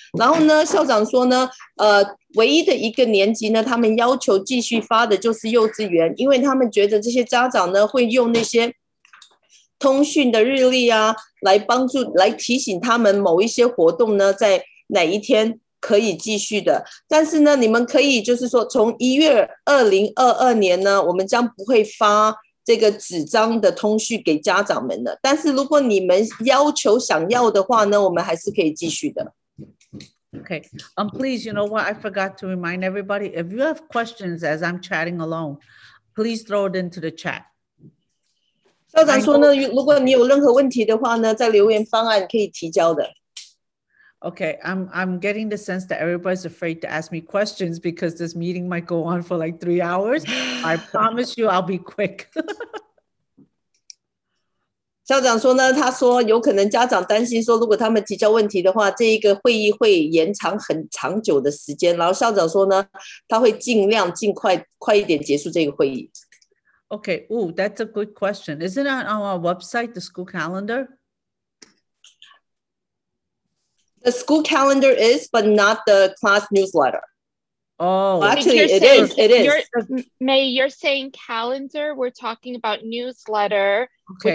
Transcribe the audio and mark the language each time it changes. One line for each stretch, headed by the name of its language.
Chinese: 然后呢，校长说呢，唯一的一个年级呢，他们要求继续发的就是幼稚园，因为他们觉得这些家长呢会用那些通讯的日历啊，来帮助来提醒他们某一些活动呢在哪一天可以继续的。但是呢，你们可以就是说，从1月2022年呢，我们将不会发这个纸张的通讯给家长们的，但是如果你们要求想要的话呢，我们还是可以继续的。
English: Okay, please, you know what? I forgot to remind everybody. If you have questions as I'm chatting along, please throw it into the chat.
Chinese: 校长说呢，如果你有任何问题的话呢，在留言方案可以提交的。
English: Okay, I'm getting the sense that everybody's afraid to ask me questions because this meeting might go on for like 3 hours. I promise you, I'll be quick.
Chinese: 校长说呢，他说有可能家长担心说，如果他们提交问题的话，这一个会议会延长很长久的时间。然后校长说呢，他会尽量尽快快一点结束这个会议。
English: Okay, ooh, that's a good question. Isn't that on our website, the school calendar? The school calendar is, but not the class newsletter. Oh, well, actually, it is. It is. May, you're saying calendar. We're talking about newsletter, okay.